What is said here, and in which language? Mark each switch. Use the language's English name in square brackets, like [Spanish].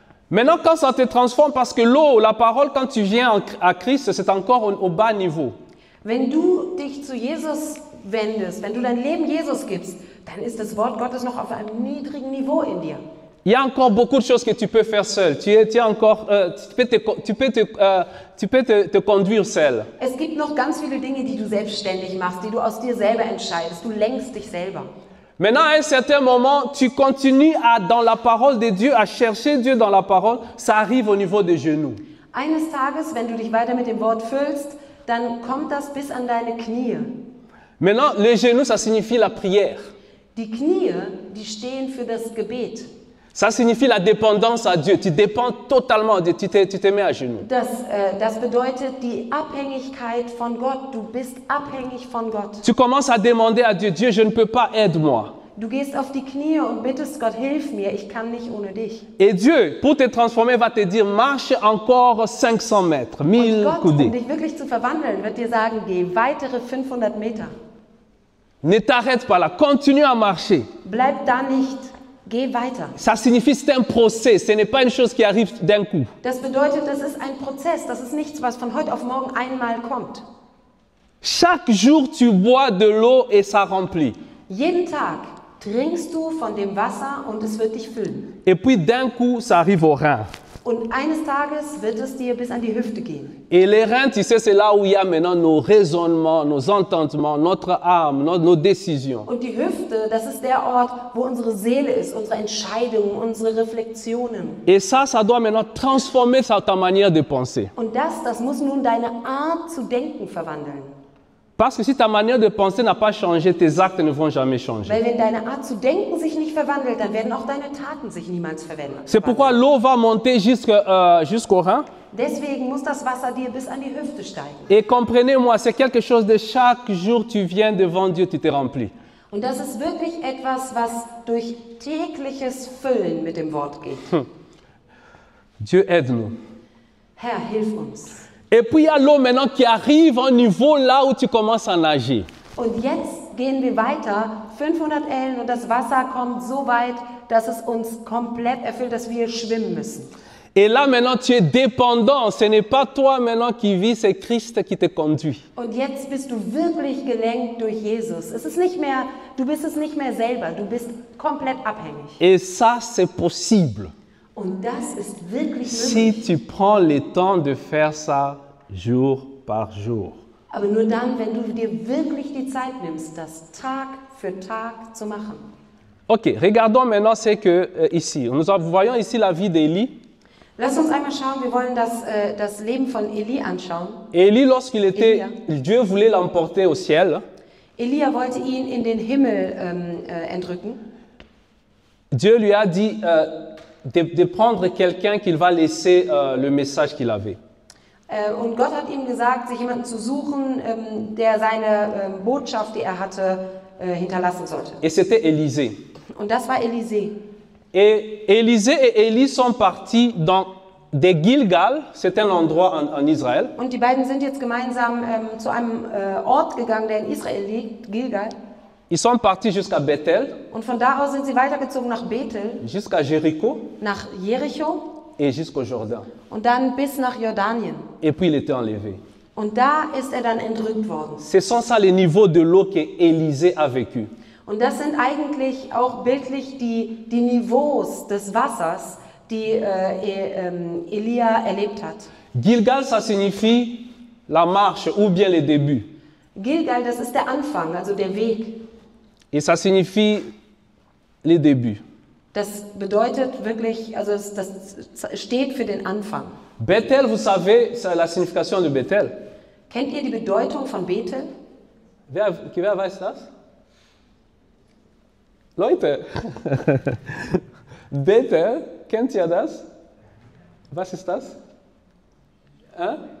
[French] Maintenant, quand ça te transforme, parce que l'eau, la parole, quand tu viens à Christ, c'est encore au bas niveau. [German] Wenn du dich zu Jesus wendest, wenn du dein Leben Jesus gibst, dann ist das Wort Gottes noch auf einem niedrigen Niveau in dir. [French] Il y a encore beaucoup de choses que tu peux faire seul. Tu peux te conduire seul. [German] Es gibt noch ganz viele Dinge, die du selbstständig machst, die du aus dir selber entscheidest. Du lenkst dich selber. [French] Maintenant, à un certain moment, tu continues à dans la parole de Dieu, à chercher Dieu dans la parole, ça arrive au niveau des genoux. [German] Eines Tages, wenn du dich weiter mit dem Wort füllst, dann kommt das bis an deine Knie. [French] Maintenant, les genoux, ça signifie la prière. [German] Die Knie, die stehen für das Gebet. [French] Ça signifie la dépendance à Dieu. Tu dépends totalement de Dieu. Tu te mets à genoux. [German] Das bedeutet die Abhängigkeit von Gott. Du bist abhängig von Gott. [French] Tu commences à demander à Dieu, Dieu, je ne peux pas, aide-moi. [German] Du gehst auf die Knie und bittest Gott, hilf mir, ich kann nicht ohne dich. [French] Et Dieu, pour te transformer, va te dire, marche encore 500 mètres, 1000 coudées. [German] Und Gott, um dich wirklich zu verwandeln, wird dir sagen, geh weitere 500 Meter. [French] Ne t'arrête pas là, continue à marcher. [German] Bleib da nicht. Geh weiter. [French] Ça signifie c'est un process. Ce n'est pas une chose qui arrive d'un coup. [German] Das bedeutet, das ist ein Prozess. Das ist nichts, was von heute auf morgen einmal kommt. [French] Chaque jour, tu bois de l'eau et ça remplit. [German] Jeden Tag trinkst du von dem Wasser und es wird dich füllen. [French] Et puis d'un coup, ça arrive aux reins. [German] Und eines Tages wird es dir bis an die Hüfte gehen. [French] Et les reins, tu sais, c'est là où il y a maintenant nos raisonnements, nos entendements, notre âme, nos décisions. [German] Und die Hüfte, das ist der Ort, wo unsere Seele ist, unsere Entscheidungen, unsere Reflexionen. [French] Et ça doit maintenant transformer ta manière de penser. [German] Und das muss nun deine Art zu denken verwandeln. [French] Parce que si ta manière de penser n'a pas changé, tes actes ne vont jamais changer. [German] Weil wenn deine Art zu denken sich nicht verwandelt, dann werden auch deine Taten sich niemals verwandeln. [French] C'est pourquoi l'eau va monter jusqu'au rein. [German] Deswegen muss das Wasser dir bis an die Hüfte steigen. [French] Et comprenez-moi, c'est quelque chose de chaque jour tu viens devant Dieu, tu te remplis. [German] Und das ist wirklich etwas, was durch tägliches Füllen mit dem Wort geht. [French] Dieu aide-nous. [German] Herr, hilf uns. [French] Et puis il y a l'eau maintenant qui arrive au niveau là où tu commences à nager. [German] Und jetzt gehen wir weiter 500 Ellen und das Wasser kommt so weit, dass es uns komplett erfüllt, dass wir schwimmen müssen. [French] Et là maintenant tu es dépendant, ce n'est pas toi maintenant qui vis, c'est Christ qui te conduit. [German] Und jetzt bist du wirklich gelenkt durch Jesus. Du bist es nicht mehr selber, du bist komplett abhängig. [French] Et ça c'est possible. [German] Und das ist wirklich [French] si tu prends le temps de faire ça jour par jour. [German] Aber nur dann, wenn du dir wirklich die Zeit nimmst, das Tag für Tag zu machen. [French] Okay, regardons maintenant ce que ici. Nous voyons ici la vie d'Élie. [German] Lass uns einmal schauen, wir wollen das Leben von Élie anschauen. [French] Élie, lorsqu'il était, Elia. Dieu voulait l'emporter au ciel. [German] Élie wollte ihn in den Himmel entrücken. [French] Dieu lui a dit de prendre quelqu'un qu'il va laisser le message qu'il avait. [German] Und Gott hat ihm gesagt, sich jemanden zu suchen, der seine Botschaft, die er hatte, hinterlassen sollte. [French] Et c'était Élisée. [German] Und das war Élisée. [French] Et Élisée et Élie sont partis dans des Gilgal, c'est un endroit en Israël. [German] Und die beiden sind jetzt gemeinsam zu einem Ort gegangen, der in Israel liegt, Gilgal. [French] Ils sont partis jusqu'à Bethel. [German] Und von da aus sind sie weitergezogen nach Bethel. [French] Jusqu'à Jericho. [German] Nach Jericho. [French] Et jusqu'au Jordan. [German] Und dann bis nach Jordanien. [French] Et puis il était enlevé. [German] Und da ist er dann entrückt worden. [French] Ce sont ça les niveaux de l'eau que Élisée a vécu. [German] Und das sind eigentlich auch bildlich die Niveaus des Wassers, die Elia erlebt hat. [French] Gilgal, ça signifie la marche ou bien le début. [German] Gilgal, das ist der Anfang, also der Weg. [French] Et ça signifie le début. [German] Das bedeutet wirklich, also das steht für den Anfang. [French] Bethel, vous savez, c'est la signification de Bethel. [German] Kennt ihr die Bedeutung von Bethel? Wer weiß das? Leute, Bethel, kennt ihr das? Was ist das? Hein?